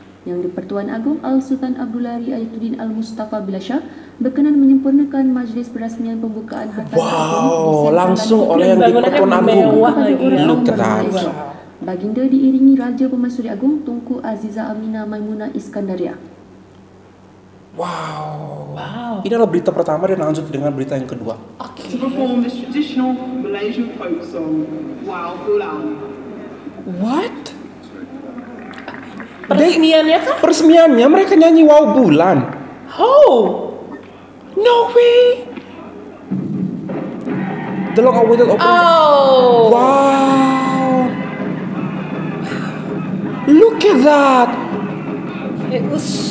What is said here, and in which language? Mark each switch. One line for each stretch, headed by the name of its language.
Malay: Yang di-Pertuan Agong Al-Sultan Abdullah Riayatuddin Al-Mustafa Billah Shah berkenan menyempurnakan majlis perasmian pembukaan harta.
Indonesian: Wow, langsung oleh yang di-Pertuan Agong.
English: Look at that.
Malay: Baginda diiringi Raja Pemaisuri Agong Tunku Aziza Aminah Maimunah Iskandariah. Wow. Wow.
Indonesian: Ini adalah berita pertama dan lanjut dengan berita yang kedua.
English: Okay. To perform this traditional Malaysian folk song, Wow Pulang. What?
Indonesian: Peresmiannya kah? Peresmiannya mereka nyanyi Wow Bulan.
English: Oh, no way. The long awaited opening. Oh, wow. Look at that. It was.